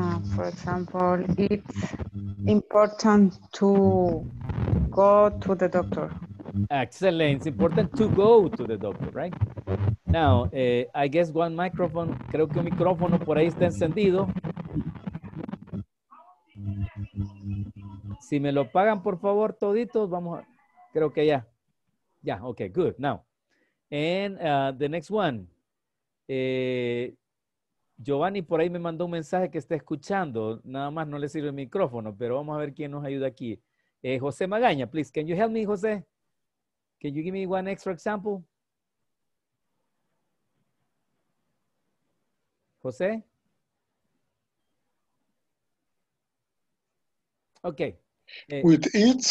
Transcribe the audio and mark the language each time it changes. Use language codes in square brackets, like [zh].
[en] For example, it's important to go to the doctor. Excellent. It's important to go to the doctor, right? Now, I guess one microphone, [es] creo que un micrófono por ahí está encendido. Si me lo pagan, por favor, toditos, vamos a, creo que ya. [en] Yeah, okay, good. Now, and the next one. [es] Giovanni por ahí me mandó un mensaje que está escuchando. Nada más no le sirve el micrófono, pero vamos a ver quién nos ayuda aquí. [en] José Magaña, please, can you help me, José? Can you give me one extra example? José? Okay. With it?